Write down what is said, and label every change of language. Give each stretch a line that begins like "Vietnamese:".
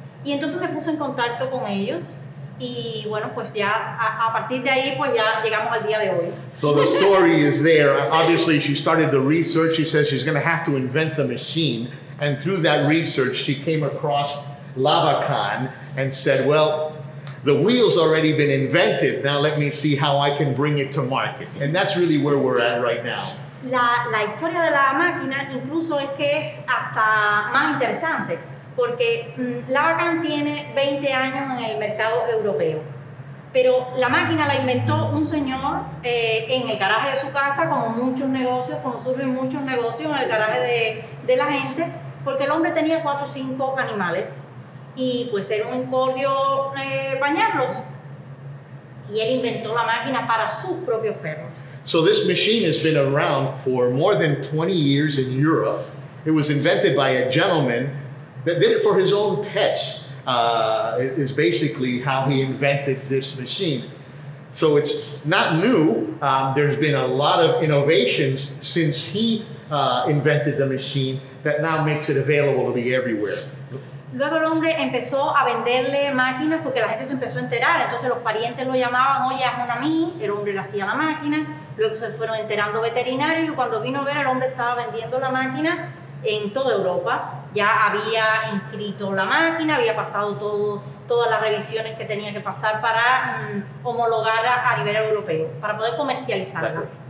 Spanish: Y entonces me puse en contacto con ellos, y bueno, pues ya a partir de ahí pues ya llegamos al día de hoy.
English: So the story is there. Obviously she started the research. She says she's going to have to invent the machine, and through that research she came across Lavacan and said, well, the wheel's already been invented, now let me see how I can bring it to market. And that's really where we're at right now.
Spanish: La historia de la máquina incluso es que es hasta más interesante, porque Lavacan tiene 20 años en el mercado europeo, pero la máquina la inventó un señor en el garaje de su casa, como surgen muchos negocios en el garaje de la gente, porque el hombre tenía 4 o 5 animales, y pues era un incordio bañarlos, y él inventó la máquina para sus propios perros.
English: So this machine has been around for more than 20 years in Europe. It was invented by a gentleman that did it for his own pets, is basically how he invented this machine. So it's not new. There's been a lot of innovations since he invented the machine that now makes it available to be everywhere.
Spanish: Luego el hombre empezó a venderle máquinas porque la gente se empezó a enterar. Entonces los parientes lo llamaban, oye, hazme una a mí. El hombre le hacía la máquina. Luego se fueron enterando veterinarios. Y cuando vino a ver, el hombre estaba vendiendo la máquina en toda Europa. Ya había inscrito la máquina, había pasado todas las revisiones que tenía que pasar para homologarla a nivel europeo, para poder comercializarla.